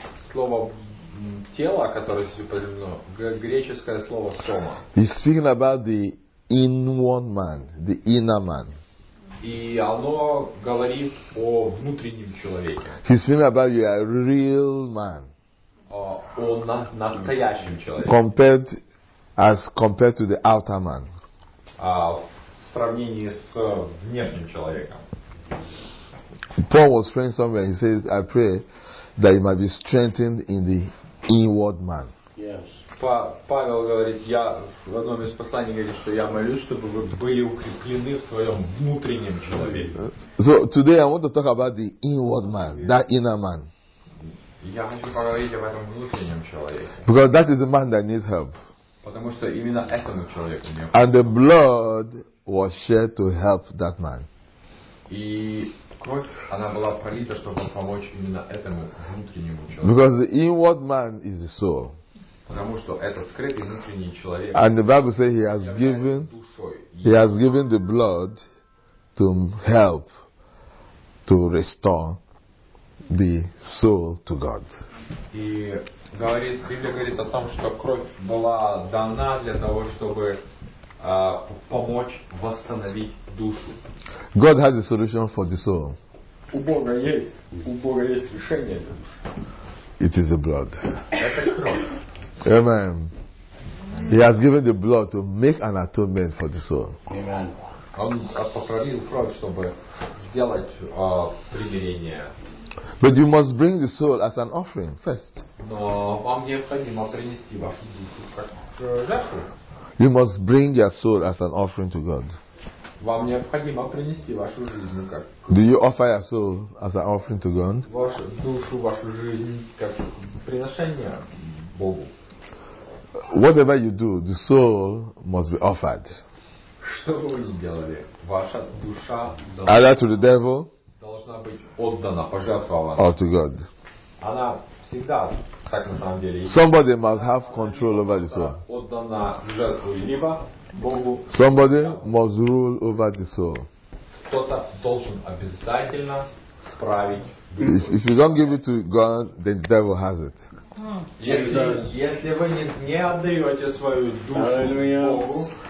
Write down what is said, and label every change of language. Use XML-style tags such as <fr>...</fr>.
<ru>Слово тело, которое здесь употреблено, греческое слово сома.</ru> <en>He's speaking about the inward man, the inner man.</en> <ru>И оно говорит о внутреннем человеке.</ru> <en>He's speaking about you, a real man.</en> <ru>О настоящем человеке.</ru> <en>As compared to the outer man.</en> <ru>В сравнении с внешним человеком.</ru> <en>Paul was praying somewhere. He says, "I pray that you might be strengthened in the inward man." Yes.</en> <ru>Павел говорит, я в одном из посланий говорит, что я молюсь, чтобы вы были укреплены в своем внутреннем человеке.</ru> <en>So today I want to talk about the inward man, that inner man.</en> <ru>Я хочу поговорить об этом внутреннем человеке.</ru> <en>Because that is the man that needs help.</en> <ru>Потому что именно этому человеку необходимо.</ru> <en>And the blood was shed to help that man.</en> <ru>И кровь, она была пролита, чтобы помочь именно этому внутреннему человеку.</ru> <en>Because the inward man is the soul.</en> <ru>Потому что этот скрытый внутренний человек.</ru> <en>And the Bible says he has given the blood to help to restore the soul to God.</en> <ru>И говорит, Библия говорит о том, что кровь была дана для того, чтобы помочь восстановить душу.</ru> <en>God has a solution for the soul.</en> <ru>У Бога есть решение.</ru> <en>It is the blood.</en> <ru>Это кровь.</ru> <en>Amen. He has given the blood to make an atonement for the soul. Amen.</en> <ru>Он покровил кровь, чтобы сделать примирение.</ru> <en>But you must bring the soul as an offering first.</en> <ru>Но вам необходимо принести вашу душу как жертву.</ru> <en>You must bring your soul as an offering to God.</en> <ru>Вам необходимо принести вашу жизнь как.</ru> <en>Do you offer your soul as an offering to God?</en> <ru>Вашу душу, вашу жизнь как приношение Богу.</ru> <en>Whatever you do, the soul must be offered.</en> <ru>Что бы вы ни делали, ваша душа</ru> <en>either to the devil,</en> <ru>должна быть отдана, пожертвована,</ru> <en>or to God.</en> <ru>Она всегда так на самом деле.</ru> <en>Somebody must have control over the soul.</en> <ru>Отдана жертву либо Богу.</ru> <en>Somebody must rule over the soul.</en> <ru>Кто-то должен обязательно править.</ru> <en>If you don't give it to God, then the devil has it.</en> <ru>Если вы не отдаете свою душу Богу,</ru>